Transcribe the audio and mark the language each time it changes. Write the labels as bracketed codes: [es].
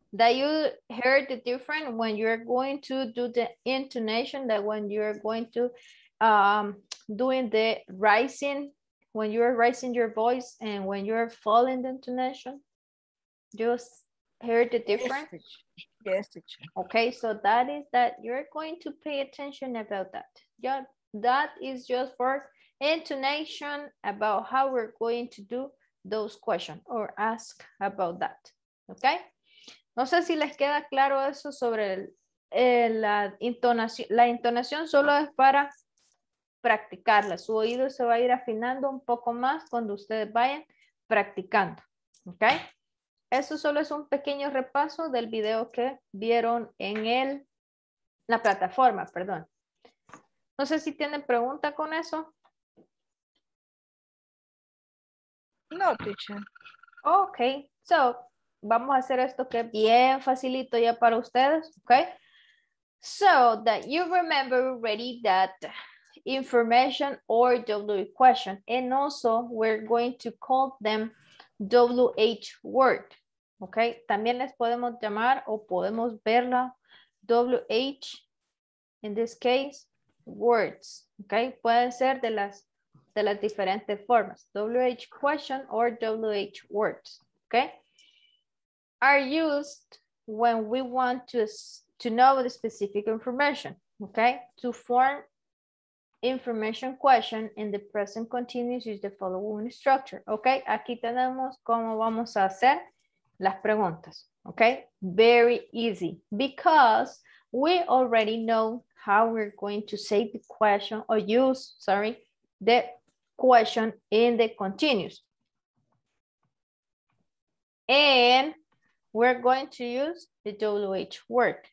[en] That you heard the difference when you're going to do the intonation, that when you're going to doing the rising, when you're raising your voice and when you're falling the intonation, just hear the difference. Yes. Okay, so that is that you're going to pay attention about that. Yeah, that is just for intonation about how we're going to do those questions or ask about that. Okay. [es] No sé si les queda claro eso sobre la intonación solo es para practicarla, su oído se va a ir afinando un poco más cuando ustedes vayan practicando, ¿ok? Eso solo es un pequeño repaso del video que vieron en la plataforma, perdón. No sé si tienen pregunta con eso. [en] No, teacher. [es] Ok, so, vamos a hacer esto que bien facilito ya para ustedes, ¿ok? [en] So, that you remember already that information or WH question, and also we're going to call them WH word. [es] Okay, también les podemos llamar o podemos verla WH [en] in this case words. [es] Okay, pueden ser de las diferentes formas [en] WH question or WH words. Okay, are used when we want to know the specific information. Okay, to form information question in the present continuous is the following structure. [es] Okay, aquí tenemos cómo vamos a hacer las preguntas. [en] Okay, very easy because we already know how we're going to say the question or use, sorry, the question in the continuous. And we're going to use the WH word.